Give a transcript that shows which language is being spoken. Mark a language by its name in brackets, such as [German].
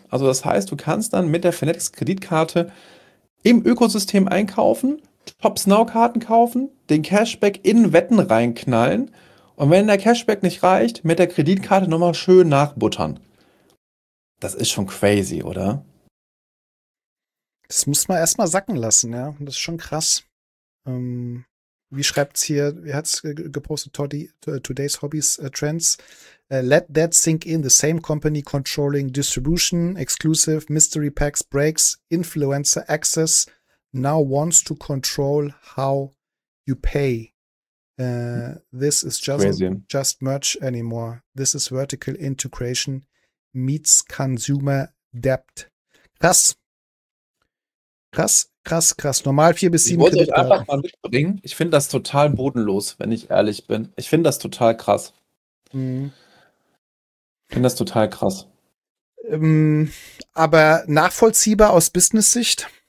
[German] Also das heißt, du kannst dann mit der Fanatics Kreditkarte im Ökosystem einkaufen, Top-Snow-Karten kaufen, den Cashback in Wetten reinknallen und wenn der Cashback nicht reicht, mit der Kreditkarte nochmal schön nachbuttern. Das ist schon crazy, oder? Das muss man erstmal sacken lassen, ja. Das ist schon krass. Wie schreibt es hier, wie hat es gepostet, Toddy, Today's Hobbies Trends? [English] Let that sink in, the same company controlling distribution, exclusive, mystery packs, breaks, influencer access, now wants to control how you pay. This is just merch anymore. This is vertical integration meets consumer debt. [German] Krass. Krass, krass, krass. Normal 4-7 Kredit. Ich wollte euch einfach mal mitbringen. Ich finde das total bodenlos, wenn ich ehrlich bin. Ich finde das total krass. Ich finde das total krass. Aber nachvollziehbar aus Business-Sicht?